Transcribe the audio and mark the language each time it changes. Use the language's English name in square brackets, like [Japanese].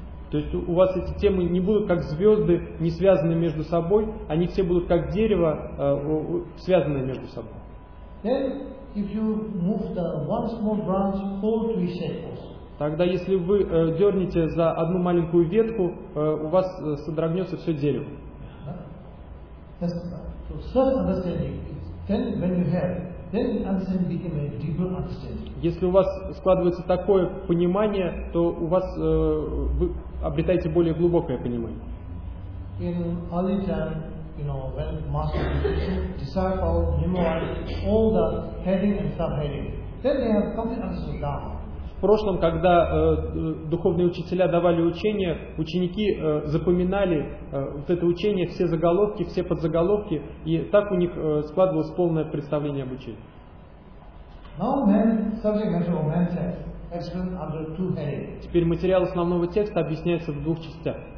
[Russian] То есть у вас эти темы не будут как звезды, не связанные между собой, они все будут как дерево, связанное между собой. Тогда если вы дернете за одну маленькую ветку, у вас содрогнется все дерево. [English] So self-understanding is then when you have, then understanding becomes a deeper understanding. [Russian] Если у вас складывается такое понимание, то у вас вы обретаете более глубокое понимание. [English] In early time, you know, when master, disciple, memorize all the heading and subheading, then they have complete understanding. [Russian] В прошлом, когда духовные учителя давали учение, ученики запоминали вот это учение, все заголовки, все подзаголовки, и так у них складывалось полное представление об учении. Теперь материал основного текста объясняется в двух частях.